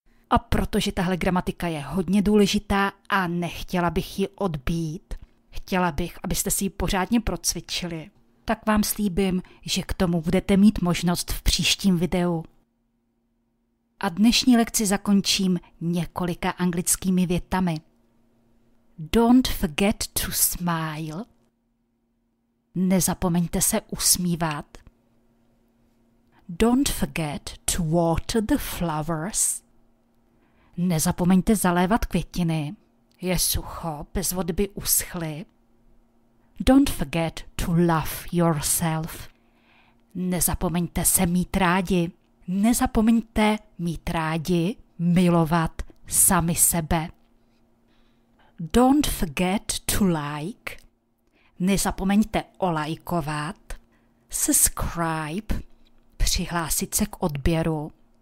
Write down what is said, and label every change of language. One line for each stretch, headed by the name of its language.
Czech: A protože tahle gramatika je hodně důležitá a nechtěla bych ji odbýt, chtěla bych, abyste si ji pořádně procvičili, tak vám slíbím, že k tomu budete mít možnost v příštím videu. A dnešní lekci zakončím několika anglickými větami.
English: Don't forget to smile.
Czech: Nezapomeňte se usmívat.
English: Don't forget to water the flowers.
Czech: Nezapomeňte zalévat květiny. Je sucho, bez vody by uschly.
English: Don't forget to love yourself.
Czech: Nezapomeňte se mít rádi. Nezapomeňte mít rádi, milovat sami sebe.
English: Don't forget to like.
Czech: Nezapomeňte olajkovat.
English: Subscribe.
Czech: Přihlásit se k odběru.